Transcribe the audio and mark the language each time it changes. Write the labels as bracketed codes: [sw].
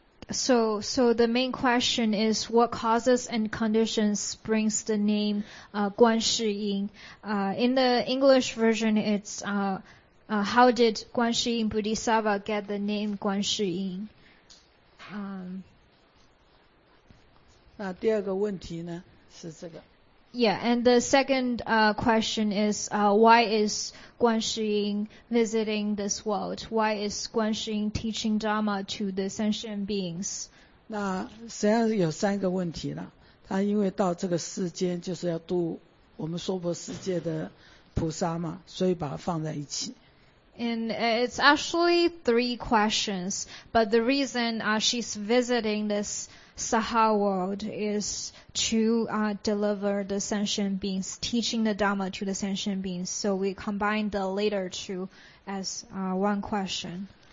[en] So the main question is what causes and conditions brings the name Guan Shi Yin. In the English version, it's How did Guan Shiying Bodhisattva get the name Guan Shiying? [zh] 那第二个问题呢，是这个。 [en] Yeah, and the second question is, why is Guan Shiying visiting this world? Why is Guan Shiying teaching Dharma to the sentient beings? [zh] 那实际上有三个问题了，他因为到这个世间就是要度我们娑婆世界的菩萨嘛，所以把它放在一起。 [en] And it's actually three questions, but the reason she's visiting this Saha world is to deliver the sentient beings, teaching the Dharma to the sentient beings. So we combine the later two as one question.